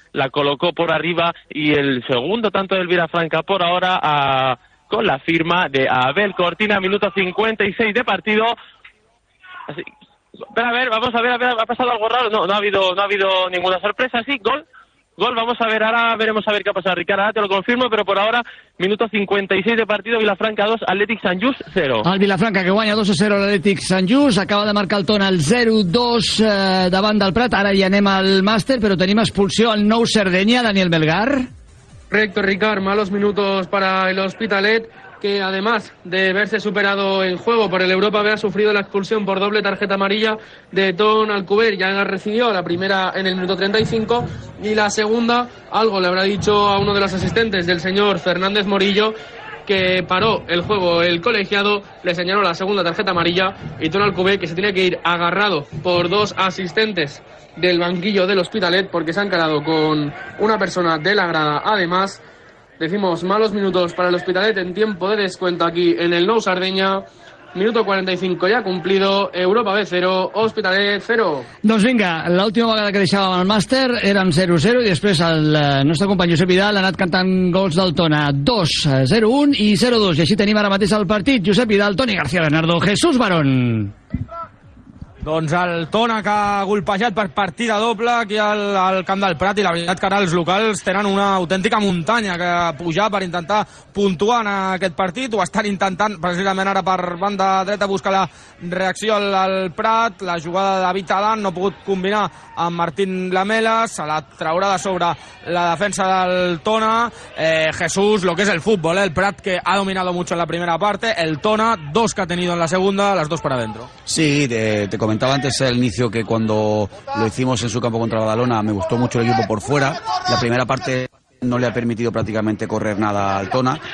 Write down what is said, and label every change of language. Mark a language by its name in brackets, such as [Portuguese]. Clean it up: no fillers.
[Spanish] La colocó por arriba y el segundo tanto del Vilafranca por ahora con la firma de Abel Cortina. Minuto 56 de partido. Así, Vamos a ver, ¿ha pasado algo raro? No ha habido ninguna sorpresa, sí, gol, vamos a ver, ahora veremos a ver qué ha pasado, Ricardo, ahora te lo confirmo, pero por ahora, minuto 56 de partido, Vilafranca 2, Athletic Sant Just 0. [Catalan] Al Vilafranca que guanya 2-0 l'Athletic Sant Just, acaba de marcar el Ton al 0-2 davant del Prat, ara hi anem al màster, però tenim expulsió al nou Cerdanya, Daniel Melgar. [Spanish] Correcto, Ricardo, malos minutos para el Hospitalet, que además de verse superado en juego por el Europa, había sufrido la expulsión por doble tarjeta amarilla de Ton Alcubierre. Ya la recibió la primera en el minuto 35 y la segunda, algo le habrá dicho a uno de los asistentes del señor Fernández Morillo, que paró el juego el colegiado, le señaló la segunda tarjeta amarilla y Ton Alcubierre, que se tiene que ir agarrado por dos asistentes del banquillo del Hospitalet porque se ha encarado con una persona de la grada. Además, decimos malos minutos para el Hospitalet en tiempo de descuento aquí en el Nou Sardenya. Minuto 45 ya cumplido. Europa B 0, Hospitalet 0. [Catalan] Doncs vinga, l'última vegada que deixàvem el màster érem 0-0 i després el nostre company Josep Vidal ha anat cantant gols del Tona. 2-0-1 i 0-2. I així tenim ara mateix el partit. Josep Vidal, Toni García Bernardo, Jesús Barón. Doncs el Tona que ha golpejat per partida doble aquí al camp del Prat, i la veritat que ara els locals tenen una autèntica muntanya que pujar per intentar puntuar en aquest partit. Ho estan intentant precisament ara per banda dreta, busca la reacció al Prat, la jugada de David Adán no ha pogut combinar amb Martín Lamela, se la traurà de sobre la defensa del Tona. [Spanish] Jesús, lo que és el futbol, el Prat que ha dominado mucho en la primera parte, el Tona, dos que ha tenido en la segunda, las dos para adentro. Sí, te comentaba antes al inicio que cuando lo hicimos en su campo contra Badalona me gustó mucho el equipo por fuera. La primera parte no le ha permitido prácticamente correr nada al Tona.